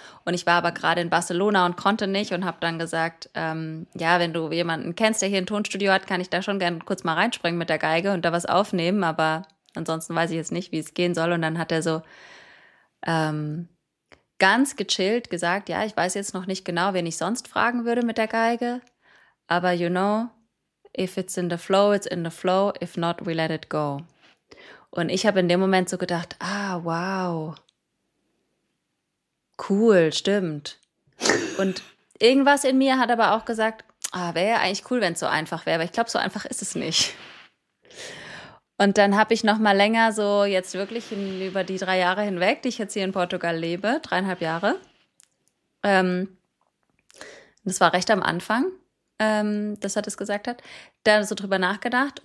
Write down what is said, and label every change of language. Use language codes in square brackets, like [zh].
[de] Und ich war aber gerade in Barcelona und konnte nicht und habe dann gesagt, wenn du jemanden kennst, der hier ein Tonstudio hat, kann ich da schon gerne kurz mal reinspringen mit der Geige und da was aufnehmen. Aber ansonsten weiß ich jetzt nicht, wie es gehen soll. Und dann hat er so ganz gechillt gesagt, ja, ich weiß jetzt noch nicht genau, wen ich sonst fragen würde mit der Geige. [en] Aber you know, if it's in the flow, it's in the flow. If not, we let it go. [de] Und ich habe in dem Moment so gedacht, ah, wow, cool, stimmt. Und irgendwas in mir hat aber auch gesagt, ah, wäre ja eigentlich cool, wenn es so einfach wäre, aber ich glaube, so einfach ist es nicht. Und dann habe ich noch mal länger so jetzt wirklich über die 3 Jahre hinweg, die ich jetzt hier in Portugal lebe, 3,5 Jahre, das war recht am Anfang, dass er das gesagt hat, da so drüber nachgedacht.